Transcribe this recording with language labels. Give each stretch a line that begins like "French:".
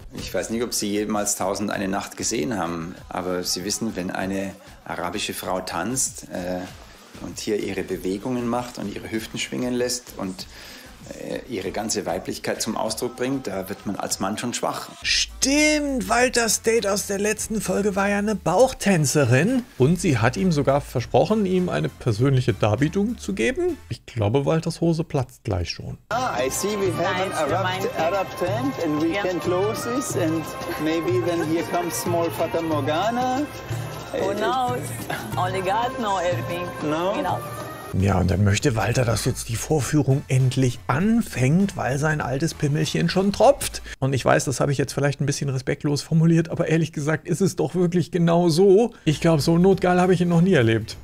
German: Ich weiß nicht, ob Sie jemals 1001 Nacht gesehen haben, aber Sie wissen, wenn eine arabische Frau tanzt und hier ihre Bewegungen macht und ihre Hüften schwingen lässt und ihre ganze Weiblichkeit zum Ausdruck bringt, da wird man als Mann schon schwach. Stimmt, Walters Date aus der letzten Folge war ja eine Bauchtänzerin. Und sie hat ihm sogar versprochen, ihm eine persönliche Darbietung zu geben. Ich glaube, Walters Hose platzt gleich schon.
English: Ah, I see we have nice, an Arab tent and we can close this and maybe then here comes small Fata Morgana. Who knows? Only God knows everything. No? You know.
German: Ja, und dann möchte Walter, dass jetzt die Vorführung endlich anfängt, weil sein altes Pimmelchen schon tropft. Und ich weiß, das habe ich jetzt vielleicht ein bisschen respektlos formuliert, aber ehrlich gesagt ist es doch wirklich genau so. Ich glaube, so notgeil habe ich ihn noch nie erlebt.